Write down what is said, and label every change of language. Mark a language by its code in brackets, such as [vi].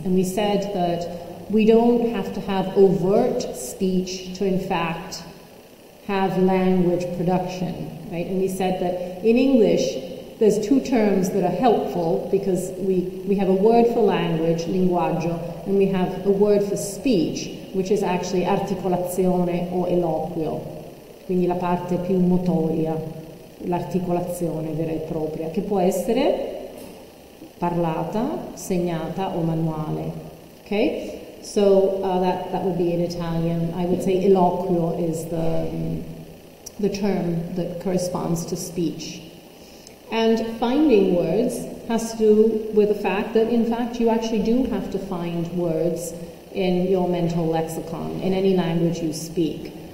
[en] And we said that we don't have to have overt speech to, in fact, have language production, right? And we said that in English, there's two terms that are helpful because we have a word for language, linguaggio, and we have a word for speech, which is actually articolazione o eloquio. [it] Quindi la parte più motoria, l'articolazione vera e propria, che può essere parlata, segnata o manuale. [en] Okay? So that would be in Italian. I would say eloquio is the term that corresponds to speech. And finding words has to do with the fact that, in fact, you actually do have to find words in your mental lexicon, in any language you speak.